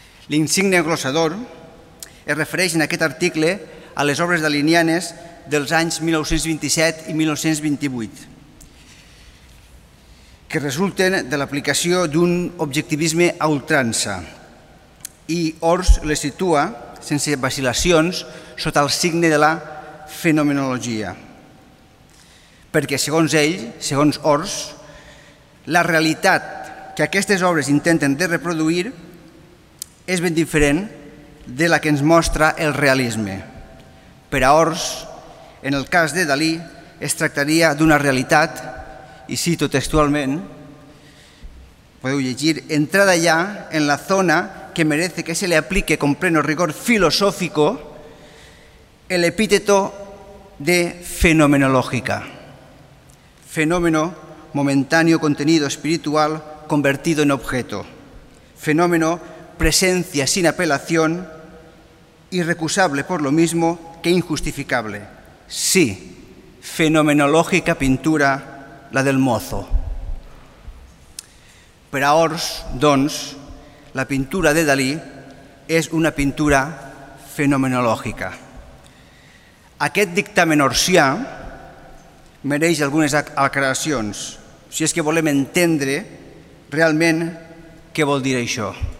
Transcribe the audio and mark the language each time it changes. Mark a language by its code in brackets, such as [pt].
[ca] L'insigne glossador es refereix en aquest article a les obres dalinianes dels anys 1927 i 1928, que resulten de l'aplicació d'un objectivisme a ultrança, i Ors les situa, sense vacil·lacions, sota el signe de la fenomenologia. Perquè, segons ell, segons Ors, la realitat que aquestes obres intenten de reproduir és ben diferent de la que ens mostra el realisme. Per a Ors, en el cas de Dalí, es tractaria d'una realitat, i cito textualment, podeu llegir, entrada ja en la zona [es] que merece que se le aplique con pleno rigor filosófico el epíteto de fenomenológica. Fenómeno momentáneo contenido espiritual convertido en objeto. Fenómeno presencia sin apelación, irrecusable por lo mismo que injustificable. Sí, fenomenológica pintura, la del mozo. [ca] Per a Ors, doncs, la pintura de Dalí és una pintura fenomenològica. Aquest dictamen orsià mereix algunes aclaracions, si és que volem entendre realment què vol dir això.